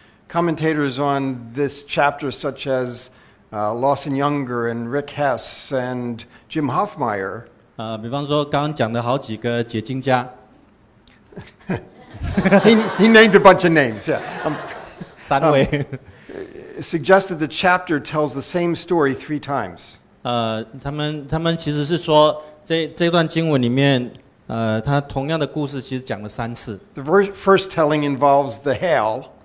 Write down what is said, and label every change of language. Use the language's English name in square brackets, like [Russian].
[English] Commentators on this chapter, such as Lawson Younger and Rick Hess and Jim Hoffmeyer. [Chinese] 比方说刚刚讲的好几个解经家。 [English] he named a bunch of names. Yeah. [Chinese] 三位。 [English] Suggested the chapter tells the same story three times. [Chinese] 他们其实是说这段经文里面，他同样的故事其实讲了三次。 [English] The first telling involves the hail.